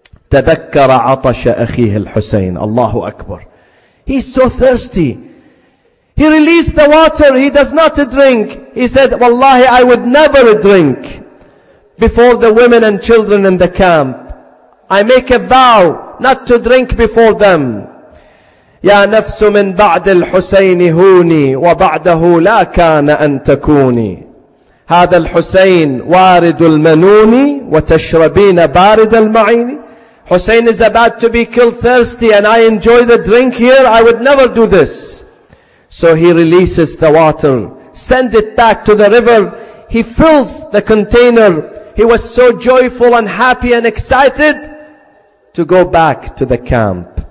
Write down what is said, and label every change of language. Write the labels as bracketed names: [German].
[Arabic] تذكر عطش أخيه الحسين. الله أكبر. [English] He's so thirsty. He released the water. He does not drink. He said, Wallahi, I would never drink before the women and children in the camp. I make a vow not to drink before them. [Arabic] يا نفس من بعد الحسين هوني وبعده لا كان أن تكوني هذا الحسين وارد المنون وتشربين بارد المعين. [English] Hussein is about to be killed thirsty and I enjoy the drink here. I would never do this. So he releases the water, send it back to the river. He fills the container. He was so joyful and happy and excited to go back to the camp.